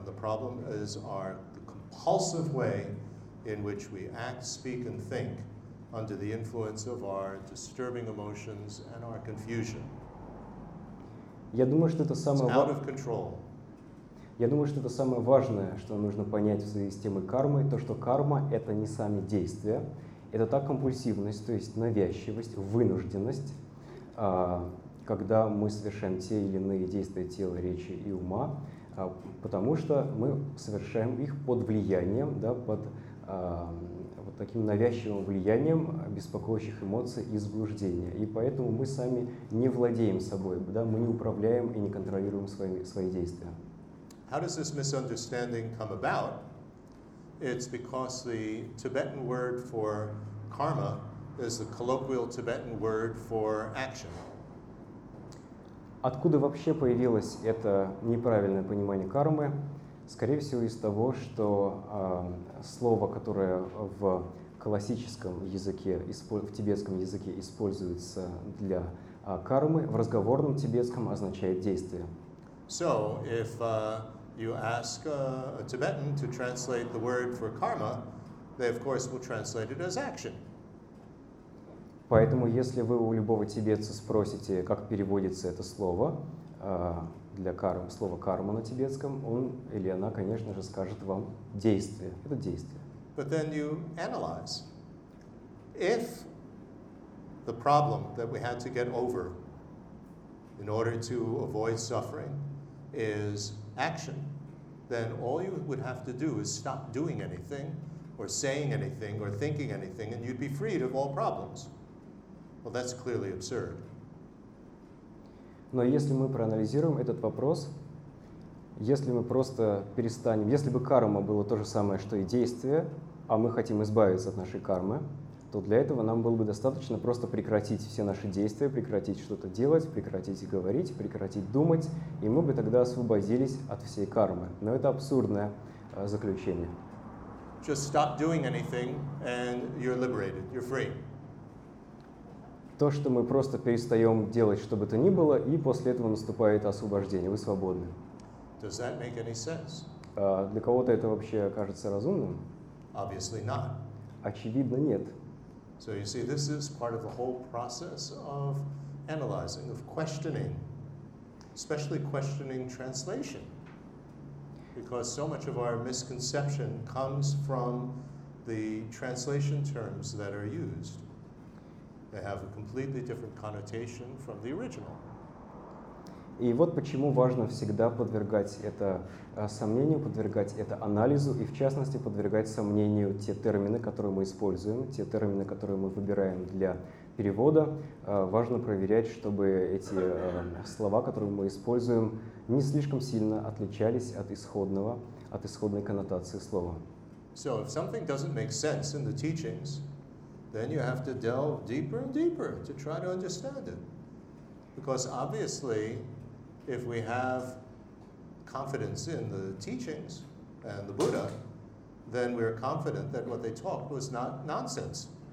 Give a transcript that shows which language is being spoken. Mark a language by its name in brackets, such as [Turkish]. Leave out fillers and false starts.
[English] The problem is the compulsive way in which we act, speak, and think under the influence of our disturbing emotions and our confusion. [Russian] Я думаю, что это самое [English] It's out of control. [Russian] Я думаю, что это самое важное, что нужно понять в связи с темой кармы, то, что карма — это не сами действия, это та компульсивность, то есть навязчивость, вынужденность, когда мы совершаем те или иные действия тела, речи и ума, потому что мы совершаем их под влиянием, да, под вот таким навязчивым влиянием беспокоящих эмоций и заблуждения. И поэтому мы сами не владеем собой, да, мы не управляем и не контролируем свои действия. [English] How does this misunderstanding come about? It's because the Tibetan word for karma is the colloquial Tibetan word for action. [Russian] Откуда вообще появилось это неправильное понимание кармы? Скорее всего, из того, что слово, которое в классическом языке, в тибетском языке используется для кармы, в разговорном тибетском означает действие. [English] So, if you ask a Tibetan to translate the word for karma, they, of course, will translate it as action. [Russian] Поэтому, если вы у любого тибетца спросите, как переводится это слово для кармы, слово «карма» на тибетском, он или она, конечно же, скажет вам «действие». Это действие. [English] But then you analyze. If the problem that we had to get over in order to avoid suffering is action, then all you would have to do is stop doing anything or saying anything or thinking anything, and you'd be freed of all problems. Well, that's clearly absurd. [Russian] Но если мы проанализируем этот вопрос, если мы просто перестанем, если бы карма было то же самое, что и действие, а мы хотим избавиться от нашей кармы, то для этого нам было бы достаточно просто прекратить все наши действия, прекратить что-то делать, прекратить говорить, прекратить думать, и мы бы тогда освободились от всей кармы. Но это абсурдное заключение. [English] Just stop doing anything and you're liberated, you're free. [Russian] То, что мы просто перестаем делать что бы то ни было, и после этого наступает освобождение. Вы свободны. [English] Does that make any sense? [Russian] Для кого-то это вообще кажется разумным? [English] Obviously not. [Russian] Очевидно, нет. [English] So you see, this is part of the whole process of analyzing, of questioning, especially questioning translation. Because so much of our misconception comes from the translation terms that are used. They have a completely different connotation from the original. [Russian] И вот почему важно всегда подвергать это сомнению, подвергать это анализу, и в частности подвергать сомнению те термины, которые мы используем, те термины, которые мы выбираем для перевода. Важно проверять, чтобы эти слова, которые мы используем, не слишком сильно отличались от исходного, от исходной коннотации слова. [English] So if something doesn't make sense in the teachings, then you have to delve deeper and deeper to try to understand it. Because obviously, if we have confidence in the teachings and the Buddha, then we're confident that what they talked was not nonsense.